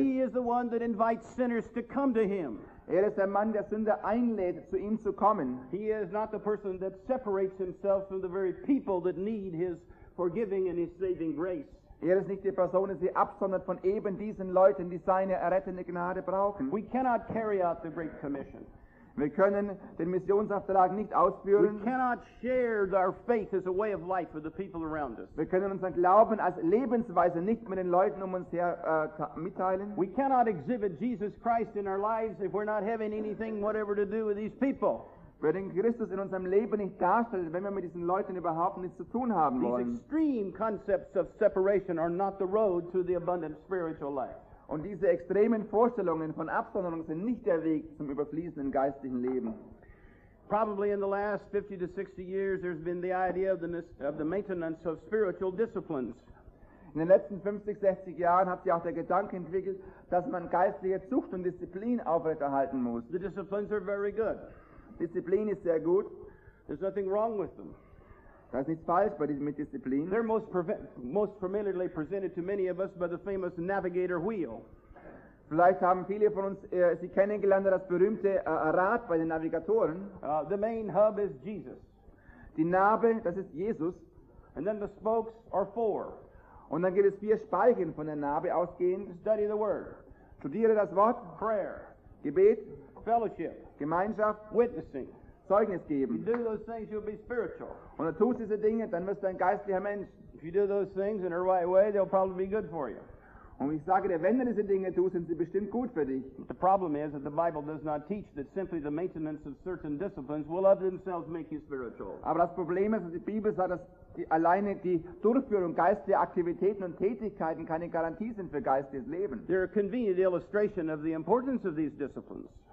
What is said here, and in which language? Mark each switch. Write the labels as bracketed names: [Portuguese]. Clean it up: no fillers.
[English] He is the one that invites sinners to come to him. [German] Er ist der Mann, der Sünder einlädt, zu ihm zu kommen. [English] He is not the person that separates himself from the very people that need his forgiving and his saving grace. [German] Er ist nicht die Person, die sie absondert von eben diesen Leuten, die seine errettende Gnade brauchen. [English] We cannot carry out the Great Commission. [German] Wir können den Missionsauftrag nicht ausführen. [English] We cannot share our faith as a way of life with the people around us. [German] Wir können unseren Glauben als Lebensweise nicht mit den Leuten um uns her mitteilen. [English] We cannot exhibit Jesus Christ in our lives if we're not having anything whatever to do with these people. [German] Wir den Christus in unserem Leben nicht darstellen, wenn wir mit diesen Leuten überhaupt nichts zu tun haben wollen. [English] These extreme concepts of separation are not the road to the abundant spiritual life. [German] Und diese extremen Vorstellungen von Absonderung sind nicht der Weg zum überfließenden geistlichen Leben. [English] Probably in the last 50 to 60 years there's been the idea of the maintenance of spiritual disciplines. [German] In den letzten 50, 60 Jahren hat sich auch der Gedanke entwickelt, dass man geistliche Zucht und Disziplin aufrechterhalten muss. [English] The disciplines are very good. [German] Disziplin ist sehr gut. [English] There's nothing wrong with them. [German] Da ist nichts falsch bei mit Disziplin. [English] They're most familiarly presented to many of us by the famous navigator wheel. [German] Vielleicht haben viele von uns sie kennengelernt das berühmte Rad bei den Navigatoren. [English] The main hub is Jesus. [German] Die Nabe, das ist Jesus. [English] And then the spokes are four. [German] Und dann gibt es vier Spalten von der Nabe ausgehend. [English] Study the word. [German] Studiere das Wort. [English] Prayer. [German] Gebet. [English] Fellowship. [German] Gemeinschaft. [English] Witnessing. [German] Zeugnis geben. [English] If you do those things, you'll be spiritual. [German] Und du tust diese Dinge, dann wirst du ein geistlicher Mensch. [English] If you do those things in the right way, they'll probably be good for you. [German] Und ich sage dir, wenn du diese Dinge tust, sind sie bestimmt gut für dich. [English] But the problem is that the Bible does not teach that simply the maintenance of certain disciplines will of themselves make you spiritual. [German] Aber das Problem ist, dass die Bibel sagt, dass alleine die Durchführung geistlicher Aktivitäten und Tätigkeiten keine Garantie sind für geistliches Leben. [English] They're a convenient illustration of the importance of these disciplines.